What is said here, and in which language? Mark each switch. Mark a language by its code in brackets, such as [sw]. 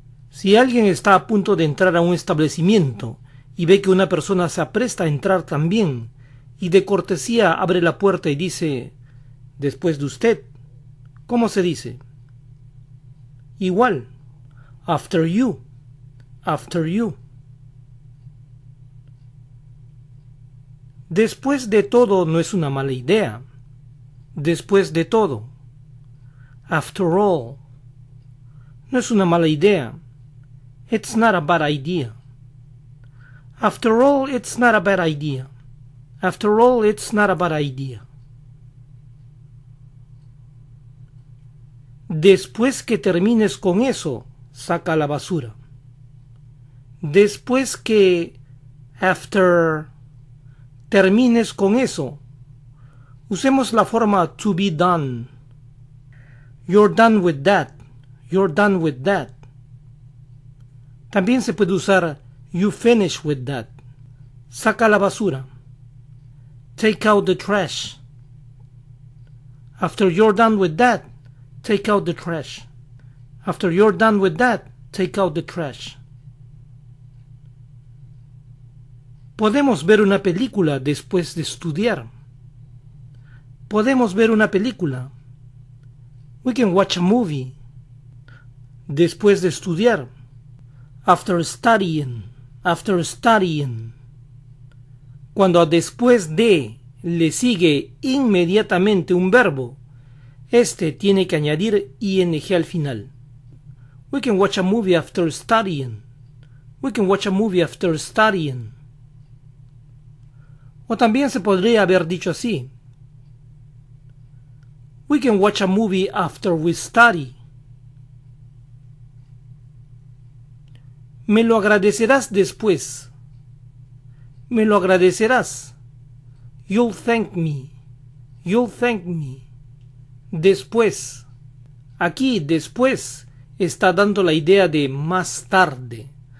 [es] Si alguien está a punto de entrar a un establecimiento y ve que una persona se apresta a entrar también y de cortesía abre la puerta y dice, después de usted, ¿cómo se dice? Igual, [en] after you, after you. [es] Después de todo no es una mala idea. Después de todo, [en] after all, [es] no es una mala idea, [en] it's not a bad idea, after all, it's not a bad idea, after all, it's not a bad idea. [es] Después que termines con eso, saca la basura. Después que, [en] after, [es] termines con eso, usemos la forma [en] to be done. You're done with that. You're done with that. [es] También se puede usar [en] you finish with that. [es] Saca la basura. [en] Take out the trash. After you're done with that, take out the trash. After you're done with that, take out the trash. [es] Podemos ver una película después de estudiar. Podemos ver una película. [en] We can watch a movie. [es] Después de estudiar. [en] After studying. After studying. [es] Cuando a después de le sigue inmediatamente un verbo, este tiene que añadir ing al final. [en] We can watch a movie after studying. We can watch a movie after studying. [es] O también se podría haber dicho así. [en] We can watch a movie after we study. [es] Me lo agradecerás después. Me lo agradecerás. [en] You'll thank me. You'll thank me. [es] Después. Aquí, después, está dando la idea de más tarde.